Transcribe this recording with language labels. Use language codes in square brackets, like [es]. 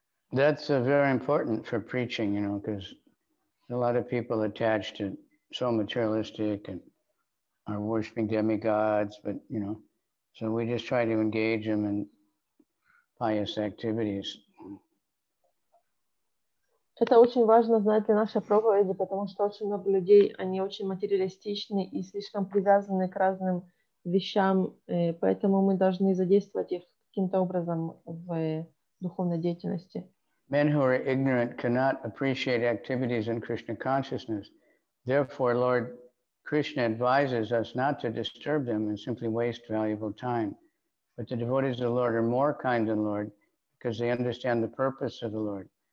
[en] That's very important for preaching, you know, because a lot of people attached to so materialistic and are worshiping demigods, but, you know, so we just try to engage them in pious activities. [ru] Это очень важно знать для нашей проповеди, потому что очень много людей, они очень материалистичны и слишком привязаны к разным вещам, поэтому мы должны задействовать их каким-то образом в духовной деятельности. [en] Men who are ignorant cannot appreciate activities in Krishna consciousness. Therefore, Lord Krishna advises us not to disturb them and simply waste valuable time. But the devotees of the Lord are more kind than Lord because they understand the purpose of the Lord.